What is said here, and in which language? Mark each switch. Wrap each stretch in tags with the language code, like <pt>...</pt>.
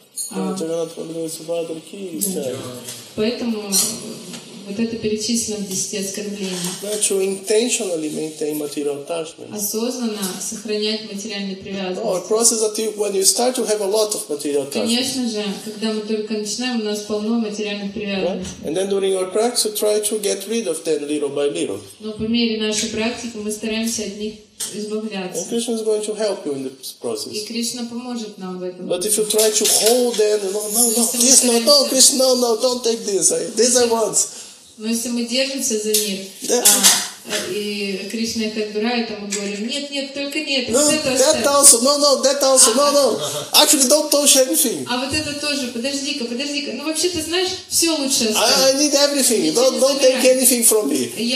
<ru>Поэтому вот это перечислено в 10 оскорблениях.</ru> <en>Intentionally maintain material attachment.</en> <ru>Осознанно сохранять материальные привязанности.</ru> <en>Or process until when you start to have a lot of material attachment.</en> <ru>Конечно же, когда мы только начинаем, у нас полно материальных привязанностей.</ru> <en>And then during our practice, try to get rid of them little by little.</en> <ru>Но по мере нашей практики мы стараемся от них избавляться.</ru> <en>And Krishna is going to help you in this process.</en> <ru>И Кришна поможет нам в этом.</ru> <en>But if you try to hold them, no, don't take this. This I want.</en> <ru>Но если мы держимся за них, и Кришна их отбирает, а мы говорим, нет, только нет.</ru> <en>No,</en> <ru>вот это</ru> <en>that</en> <ru>оставь.</ru> <en>Also, no. Actually, don't touch everything.</en> <ru>А вот это тоже, подожди-ка. Ну вообще-то, знаешь, все лучше оставь.</ru> <en>I need everything. Don't take anything from me.</en>